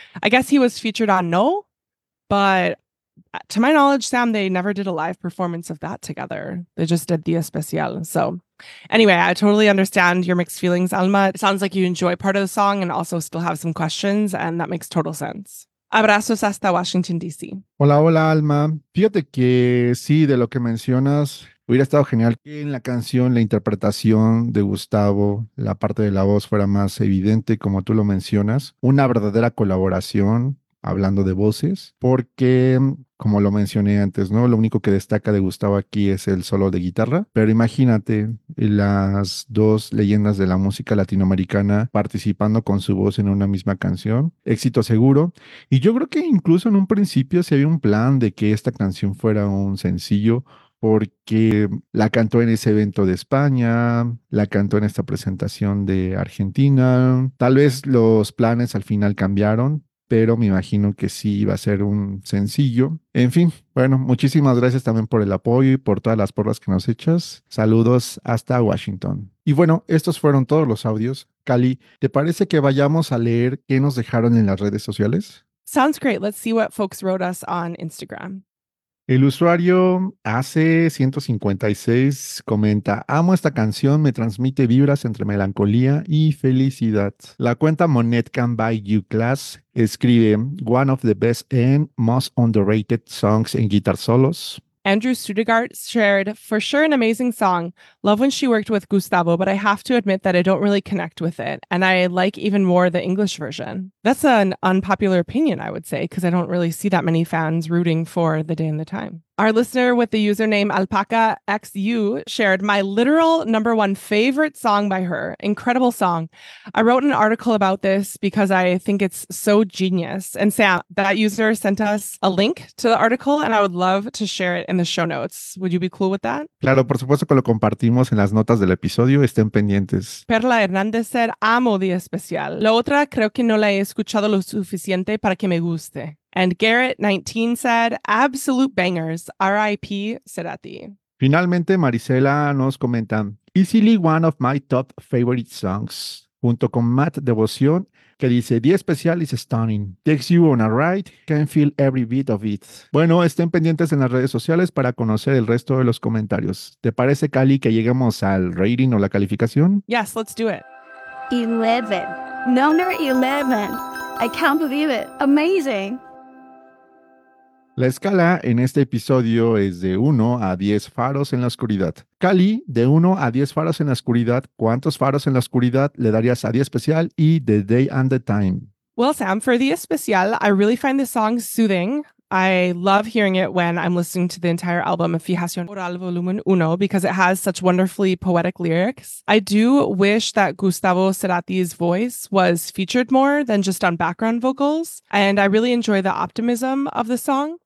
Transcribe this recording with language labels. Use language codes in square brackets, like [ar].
[en] I guess he was featured on No, but to my knowledge, Sam, they never did a live performance of that together. They just did the Especial. So anyway, I totally understand your mixed feelings, Alma. It sounds like you enjoy part of the song and also still have some questions, and that makes total sense. [es] Abrazos hasta Washington, D.C. Hola, hola, Alma. Fíjate que sí, de lo que mencionas, hubiera estado genial que en la canción la interpretación de Gustavo, la parte de la voz, fuera más evidente, como tú lo mencionas. Una verdadera colaboración, hablando de voces, porque, como lo mencioné antes, ¿no? Lo único que destaca de Gustavo aquí es el solo de guitarra. Pero imagínate las dos leyendas de la música latinoamericana participando con su voz en una misma canción. Éxito seguro. Y yo creo que incluso en un principio se había un plan de que esta canción fuera un sencillo, porque la cantó en ese evento de España, la cantó en esta presentación de Argentina. Tal vez los planes al final cambiaron, pero me imagino que sí iba a ser un sencillo. En fin, bueno, muchísimas gracias también por el apoyo y por todas las porras que nos echas. Saludos hasta Washington. Y bueno, estos fueron todos los audios. Cali, ¿te parece que vayamos a leer qué nos dejaron en las redes sociales? [en] Sounds great. Let's see what folks wrote us on Instagram. [es] El usuario AC156 comenta: amo esta canción, me transmite vibras entre melancolía y felicidad. La cuenta [en] Monet Can Buy You Class [es] escribe: [en] one of the best and most underrated songs in guitar solos. Andrew Studegaard shared: for sure an amazing song. Love when she worked with Gustavo, but I have to admit that I don't really connect with it. And I like even more the English version. That's an unpopular opinion, I would say, because I don't really see that many fans rooting for The Day and the Time. Our listener with the username AlpacaXU shared: my literal number one favorite song by her. Incredible song. I wrote an article about this because I think it's so genius. And Sam, that user sent us a link to the article, and I would love to share it in the show notes. Would you be cool with that? [es] Claro, por supuesto que lo compartimos en las notas del episodio. Estén pendientes. Perla Hernández [en] said: [es] amo Día Especial. La otra creo que no la he escuchado lo suficiente para que me guste. [en] And Garrett19 said: absolute bangers. R.I.P. Cerati. [es] Finalmente, [en] Marisela [es] nos comenta: [en] easily one of my top favorite songs. [es] Junto con Matt Devoción, que dice: Día Especial [en] is stunning. Takes you on a ride. Can feel every bit of it. [es] Bueno, estén pendientes en las redes sociales para conocer el resto de los comentarios. ¿Te parece, Cali, que lleguemos al rating o la calificación? [en] Yes, let's do it. 11. Number 11. I can't believe it. Amazing. [es] La escala en este episodio es de 1 a 10 faros en la oscuridad. Cali, de 1 a 10 faros en la oscuridad, ¿cuántos faros en la oscuridad le darías a Día Especial y The Day and the Time? [en] Well, Sam, for Día Especial, I really find the song soothing. I love hearing it when I'm listening to the entire album of Fijación Oral Volumen 1 because it has such wonderfully poetic lyrics. I do wish that Gustavo Cerati's voice was featured more than just on background vocals, and I really enjoy the optimism of the song.